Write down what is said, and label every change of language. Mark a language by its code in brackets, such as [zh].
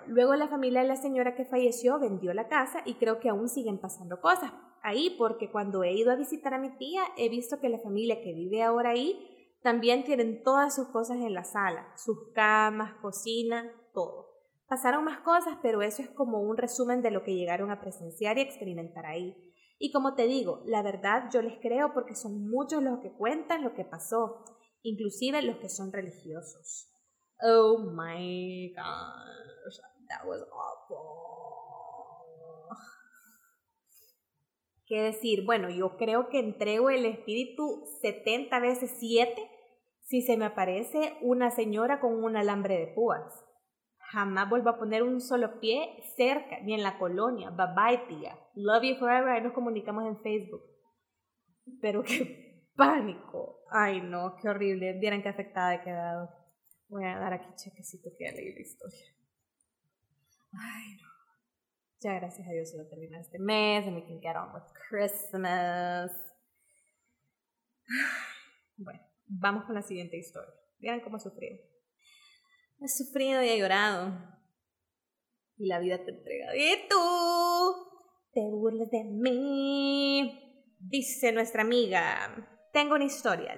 [es] Luego la familia de la señora que falleció vendió la casa y creo que aún siguen pasando cosas ahí, porque cuando he ido a visitar a mi tía, he visto que la familia que vive ahora ahí también tienen todas sus cosas en la sala, sus camas, cocina, todo. Pasaron más cosas, pero eso es como un resumen de lo que llegaron a presenciar y experimentar ahí. Y como te digo, la verdad yo les creo porque son muchos los que cuentan lo que pasó, inclusive los que son religiosos. [en] Oh my gosh, that was awful. [es] ¿Qué decir? Bueno, yo creo que entrego el espíritu 70 veces 7 si se me aparece una señora con un alambre de púas. Jamás vuelvo a poner un solo pie cerca, ni en la colonia. Bye bye, tía. [en] Love you forever. [es] Ahí nos comunicamos en Facebook. Pero qué pánico. Ay, no, qué horrible. Vieran qué afectada he quedado. Voy a dar aquí chequecito que ya leí la historia. Ay, no. Ya gracias a Dios se lo termina este mes. [en] And we can get on with Christmas. [es] Bueno, vamos con la siguiente historia. Vieran cómo ha sufrido. He sufrido y he llorado. Y la vida te entrega. ¡Y tú! ¡Te burles de mí! Dice nuestra amiga. Tengo una historia.